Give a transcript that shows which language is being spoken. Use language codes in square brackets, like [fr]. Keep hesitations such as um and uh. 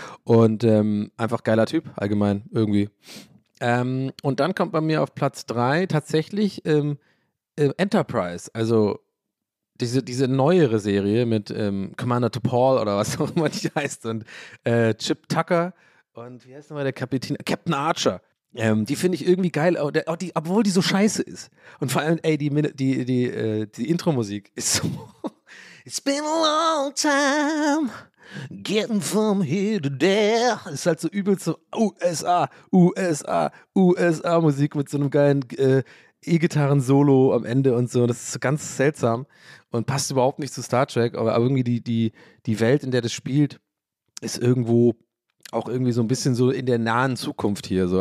[de] Und ähm, einfach geiler Typ, allgemein, irgendwie. Ähm, und dann kommt bei mir auf Platz 3 tatsächlich ähm, äh, Enterprise, also diese, diese neuere Serie mit ähm, Commander T'Pol oder was auch immer die heißt und äh, Chip Tucker und wie heißt nochmal der Kapitän? Captain Archer. Ähm, die finde ich irgendwie geil, auch der- auch die, obwohl die so scheiße ist. Und vor allem, ey, die, Min- die, die, äh, die Intro-Musik ist so. [en] It's been a long time getting from here to there. [de] Ist halt so übel so USA, USA, USA-Musik mit so einem geilen äh, E-Gitarren-Solo am Ende und so. Das ist so ganz seltsam und passt überhaupt nicht zu Star Trek, aber, aber irgendwie die, die, die Welt, in der das spielt, ist irgendwo auch irgendwie so ein bisschen so in der nahen Zukunft hier. So.